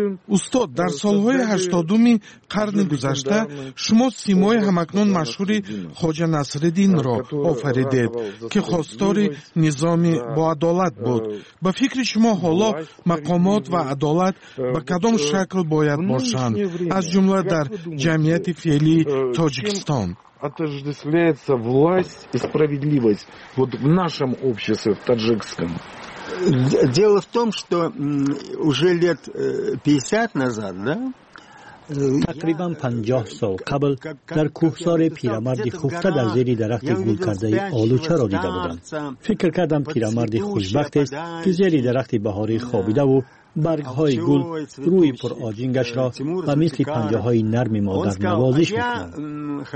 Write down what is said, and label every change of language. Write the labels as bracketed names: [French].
[Persian] استاد، در سالهای 80 قرن گذشته شما سیمای همکنون مشهور خواجه نصرالدین را آفریدید که خواستار نظامی با عدالت بود. به فکر شما حالا مقامات و عدالت به کدام شکل باید باشند، از جمله در جمعیت فعلی تاجیکستان؟ [Russian] отождествляется власть и справедливость вот в нашем обществе в таджикском. Дело в том, что уже лет 50 назад, да? [Persian] تقریبا 50 سال قبل در کوهسار پیرمرد خفته در زیر درخت گل کرده آلوچه را دیده بودم. فکر کردم پیرمرد خوشبخت است که زیر درخت بهاری خوابیده و برگهای گل روی پر آجینگش را و مثل پنجه های نرم مادر نوازش میکنند.